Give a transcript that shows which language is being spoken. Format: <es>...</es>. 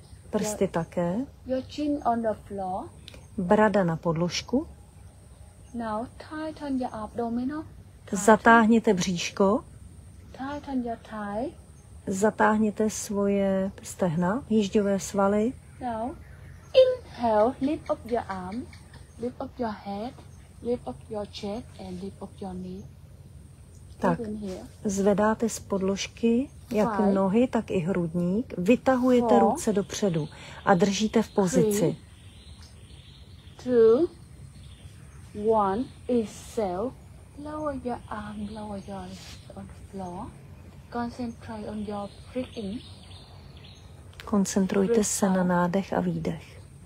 <cs>Prsty také.</cs> <en>Your chin on the floor.</en> <cs>Brada na podložku.</cs> <en>Now tighten your abdominal.</en> <cs>Zatáhněte bříško.</cs> <en>Tighten your thigh.</en> <cs>Zatáhněte svoje stehna, jížďové svaly.</cs> <en>Now inhale, lift up your arm, lift up your head, lift up your chest and lift up your knee.</en> <cs>Tak, zvedáte z podložky jak five, nohy, tak i hrudník. Vytahujete four, ruce dopředu a držíte v pozici.</cs> <en>Three, two, one, exhale, lower your arm, lower your legs on the floor, concentrate on your breathing.</en> <cs>Koncentrujte se na nádech a výdech.</cs>